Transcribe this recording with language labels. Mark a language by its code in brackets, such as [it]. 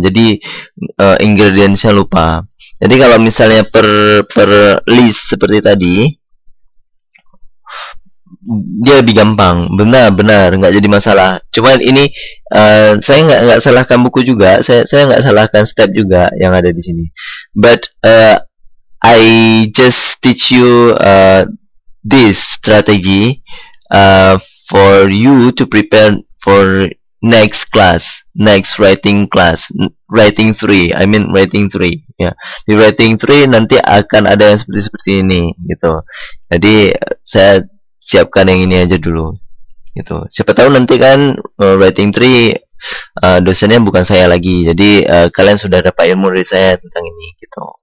[id] Jadi ingredientsnya lupa. Jadi kalau misalnya per list seperti tadi, dia lebih gampang, benar-benar nggak jadi masalah. Cuman ini saya nggak salahkan buku juga, saya nggak salahkan step juga yang ada di sini. [en] But I just teach you this strategy for you to prepare for next class, next writing class, writing three. I mean writing three. [id] Ya, di writing three nanti akan ada yang seperti ini gitu. Jadi saya siapkan yang ini aja dulu, gitu. Siapa tahu nanti kan writing three dosennya bukan saya lagi, jadi kalian sudah dapat ilmu dari saya tentang ini, gitu.